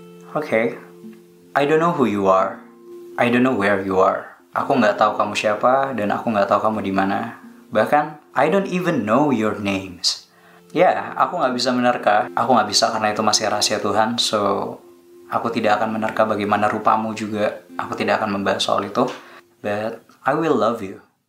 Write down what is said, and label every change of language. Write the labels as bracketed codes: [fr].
[en] Okay, I don't know who you are. I don't know where you are. [id] Aku gak tahu kamu siapa dan aku gak tahu kamu di mana. Bahkan, [en] I don't even know your names. [id] Yeah, aku gak bisa menerka. Aku gak bisa karena itu masih rahasia Tuhan. So, aku tidak akan menerka bagaimana rupamu juga. Aku tidak akan membahas soal itu. [en] But, I will love you.